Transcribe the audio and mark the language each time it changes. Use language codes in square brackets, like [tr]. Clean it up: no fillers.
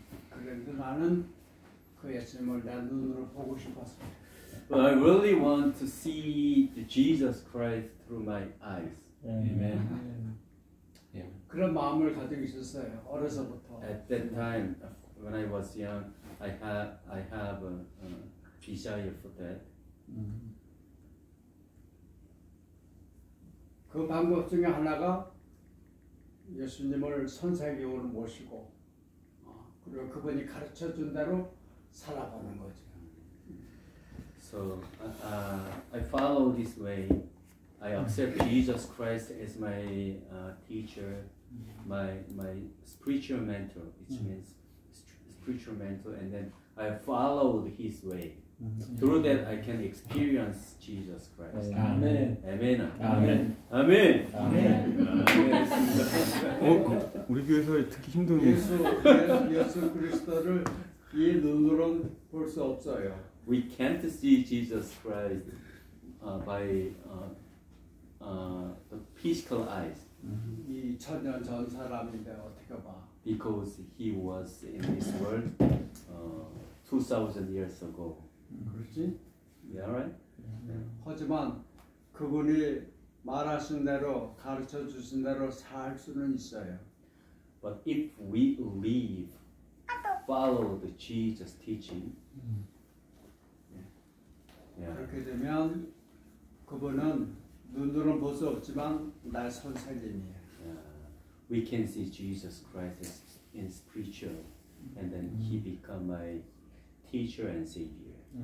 [ko] 그래서 나는 그 예수님을 내 눈으로 보고 싶었어. [en] But I really want to see the Jesus Christ through my eyes. Amen. [ko] 그런 마음을 가지고 있었어요. 어려서부터. [en] At that time, when I was young, I have a desire for that. [ko] 그 방법 중에 하나가 예수님을 선생님으로 모시고 그리고 그분이 가르쳐 준 대로 살아가는 거죠. [en] So I follow this way. I accept Jesus Christ as my teacher, my spiritual mentor, which means spiritual mentor, and then I followed his way. Through that, I can experience Jesus Christ. Amen. Amen. Amen. Amen. Amen. [ko] 어, 우리 교회에서 특히 힘든 예수 그리스도를 이 눈으로 볼 수 없어요. [en] We can't see Jesus Christ by the physical eyes. [ko] 이 천년 전 사람인데 어떻게 봐? [en] Because he was in this world 2000 years ago. [ko] 그렇지? [en] Yeah, right? [ko] 하지만 그분이 말하신 대로 가르쳐 주신 대로 살 수는 있어요. [en] But if we leave follow the Jesus teaching. Yeah. [ko] 그렇게 되면 그분은 눈으로는 볼 수 없지만 나의 선생님이에요. [en] We can see Jesus Christ in spiritual and then he become my teacher and savior.